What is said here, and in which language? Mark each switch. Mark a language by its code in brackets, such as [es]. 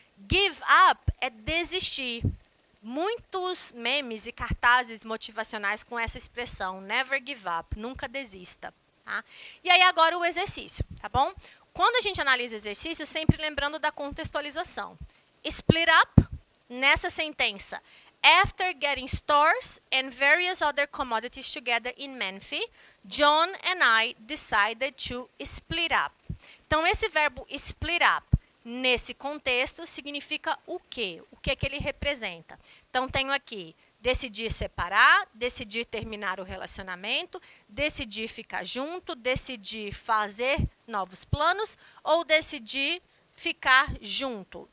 [pt] Give up é desistir. Muitos memes e cartazes motivacionais com essa expressão, [en] never give up, [pt] nunca desista. Tá? E aí agora o exercício, tá bom? Quando a gente analisa exercício, sempre lembrando da contextualização. [en] Split up, [pt] nessa sentença, [en] after getting stores and various other commodities together in Menfi, John and I decided to split up. [pt] Então, esse verbo split up, nesse contexto, significa o quê? O que é que ele representa? Então, tenho aqui, decidir separar, decidir terminar o relacionamento, decidir ficar junto, decidir fazer novos planos ou decidir ficar junto.